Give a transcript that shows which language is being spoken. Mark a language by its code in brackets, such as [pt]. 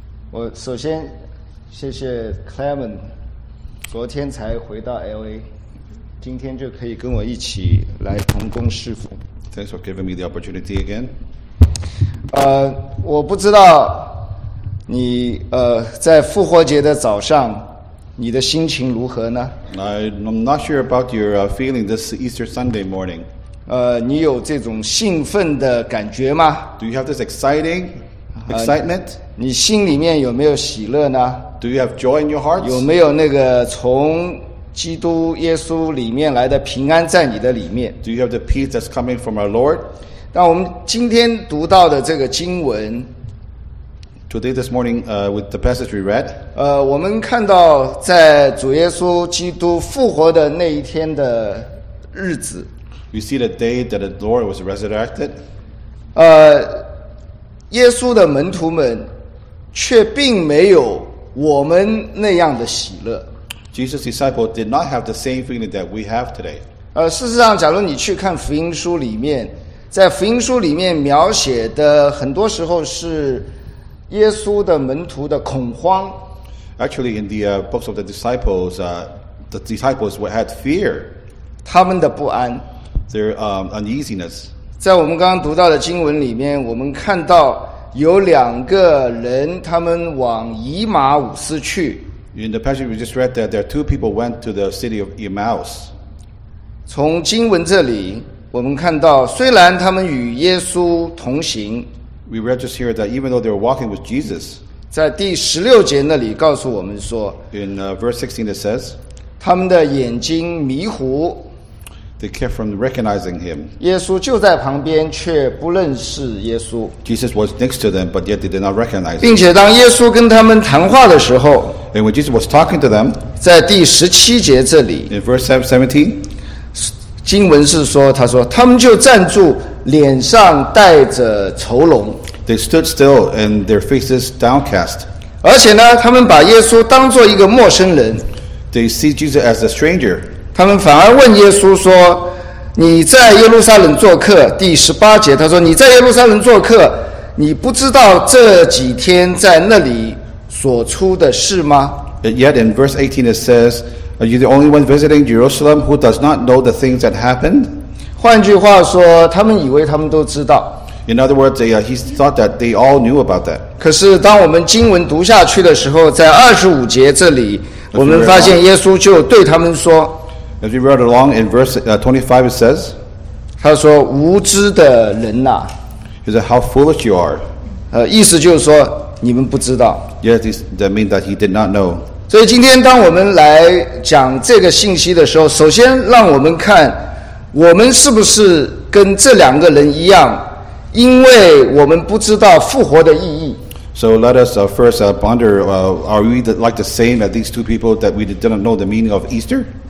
[zh] 我首先谢谢 Clement, 昨天才回到 LA, 今天就可以跟我一起来同工侍奉。 [en] Thanks for giving me the opportunity again. [zh] 我不知道你在复活节的早上你的心情如何呢？ [en] I'm not sure about your feeling this Easter Sunday morning. [zh] 你有这种兴奋的感觉吗？ [en] Do you have this exciting excitement? [zh] 你心里面有没有喜乐呢？ [en] Do you have joy in your heart? [zh] 有没有那个从基督耶稣里面来的平安在你的里面？ [en] Do you have the peace that's coming from our Lord? [zh] 那我们今天读到的这个经文 [en] Today, this morning, with the passage we read, [zh] 我们看到在主耶稣基督复活的那一天的日子 [en] ，we see the day that the Lord was resurrected. [zh] 耶稣的门徒们却并没有我们那样的喜乐。 [en] Jesus' disciples did not have the same feeling that we have today. [zh] 事实上，假如你去看福音书里面，在福音书里面描写的很多时候是。耶稣的门徒的恐慌。 [en] Actually, in the books of the disciples had fear. [zh] 他们的不安。 [en] Their uneasiness. [zh] 在我们刚刚读到的经文里面，我们看到有两个人，他们往以马忤斯去。 [en] In the passage we just read, that there are two people went to the city of Emmaus. [zh] 从经文这里，我们看到虽然他们与耶稣同行。 [en] We register here that even though they were walking with Jesus, [zh] 在第十六节那里告诉我们说 [en] ，in verse 16 it says, [zh] 他们的眼睛迷糊 [en] ，they kept from recognizing him. [zh] 耶稣就在旁边，却不认识耶稣。 [en] Jesus was next to them, but yet they did not recognize. [zh] 并且当耶稣跟他们谈话的时候 [en] ，and when Jesus was talking to them, [zh] 在第十七节这里 [en] ，in verse 17, [zh] 经文是说，他说他们就站住。脸上带着愁容 [en] They stood still and their faces downcast. [zh] 而且呢，他们把耶稣当作一个陌生人 [en] They see Jesus as a stranger. [zh] 他们反而问耶稣说：“你在耶路撒冷做客。” 第十八节他说：“你在耶路撒冷做客，你不知道这几天在那里所出的事吗？” [en] Yet in verse 18 it says, "Are you the only one visiting Jerusalem who does not know the things that happened?" [zh] 换句话说，他们以为他们都知道。 [en] In other words, he thought that they all knew about that. [zh] 可是，当我们经文读下去的时候，在二十五节这里，我们发现耶稣就对他们说 [en] ：“As we read along in verse 25, it says, [zh] 他说：无知的人呐、啊、 [en] ，He said, how foolish you are. [zh] 意思就是说你们不知道。 [en] Yet that means that he did not know. [zh] 所以今天当我们来讲这个信息的时候，首先让我们看。我们是不是跟这两个人一样，因为我们不知道复活的意义 [en] ？So let us first ponder: Are we like the same as these two people that we didn't know the meaning of Easter？